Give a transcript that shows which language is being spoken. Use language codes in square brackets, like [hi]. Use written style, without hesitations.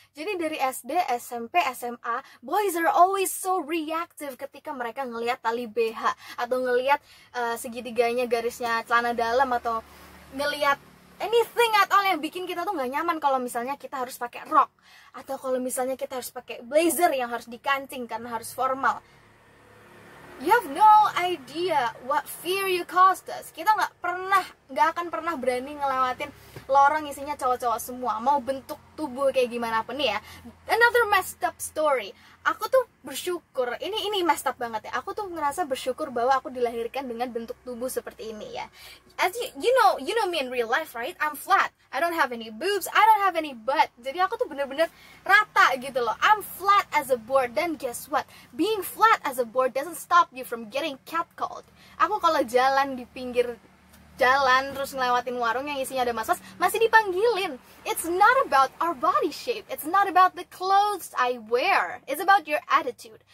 [id] Jadi dari SD, SMP, SMA, [en] boys are always so reactive [id] ketika mereka ngelihat tali BH atau ngelihat segitiganya garisnya celana dalam atau ngelihat [en] anything at all [id] yang bikin kita tuh gak nyaman kalau misalnya kita harus pakai rok atau kalau misalnya kita harus pakai blazer yang harus dikancing karena harus formal. [en] You have no idea what fear you caused us. [id] Kita gak akan pernah berani ngelewatin lorong isinya cowok-cowok semua, mau bentuk tubuh kayak gimana pun ya. [en] Another messed up story. [id] Aku tuh bersyukur, ini [en] messed up [id] banget ya. Aku tuh ngerasa bersyukur bahwa aku dilahirkan dengan bentuk tubuh seperti ini ya. [en] As you know me in real life, right? I'm flat. I don't have any boobs, I don't have any butt. [id] Jadi aku tuh bener-bener rata gitu loh. [en] I'm flat as a board. Then guess what? Being flat as a board doesn't stop you from getting catcalled. [id] Aku kalau jalan di pinggir jalan terus ngelewatin warung yang isinya ada mas-mas, masih dipanggilin. [en] It's not about our body shape, it's not about the clothes I wear, it's about your attitude.